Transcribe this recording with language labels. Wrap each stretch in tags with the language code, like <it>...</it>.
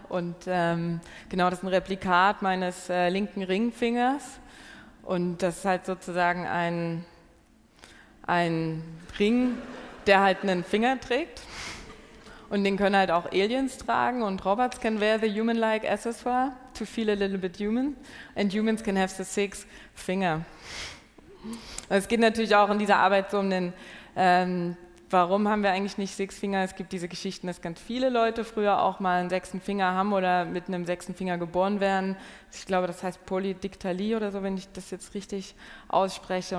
<de>Und genau, das ist ein Replikat meines linken Ringfingers. Und das ist halt sozusagen ein Ring, der halt einen Finger trägt. Und den können halt auch Aliens tragen. Und</de> <en>Robots can wear the human-like accessoire. To feel a little bit human, and humans can have the six finger.</en> <de>Es geht natürlich auch in dieser Arbeit so um den, warum haben wir eigentlich nicht</de> <en>six finger?</en> <de>Es gibt diese Geschichten, dass ganz viele Leute früher auch mal einen sechsten Finger haben oder mit einem sechsten Finger geboren werden. Ich glaube, das heißt Polydiktalie oder so, wenn ich das jetzt richtig ausspreche.</de>